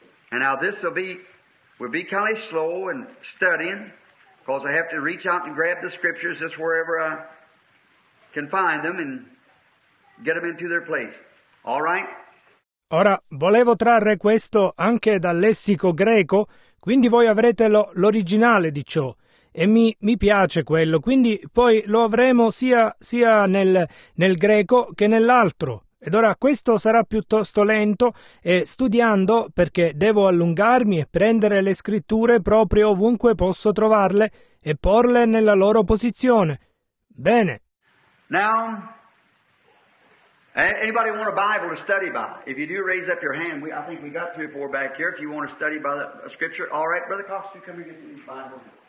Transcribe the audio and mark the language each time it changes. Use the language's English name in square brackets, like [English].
[English] And now this will be kind of slow and studying, because I have to reach out and grab the scriptures just wherever I can find them and get them into their place. All right? [Italian] Ora, volevo trarre questo anche dal lessico greco, quindi voi avrete l'originale di ciò. E mi piace quello, quindi poi lo avremo sia nel greco che nell'altro. Ed ora questo sarà piuttosto lento e studiando, perché devo allungarmi e prendere le scritture proprio ovunque posso trovarle e porle nella loro posizione. Bene. [English] Now, anybody want a Bible to study by? If you do, raise up your hand. I think we got 3 or 4 back here. If you want to study by a scripture, all right, Brother Cox, you come here and get the Bible.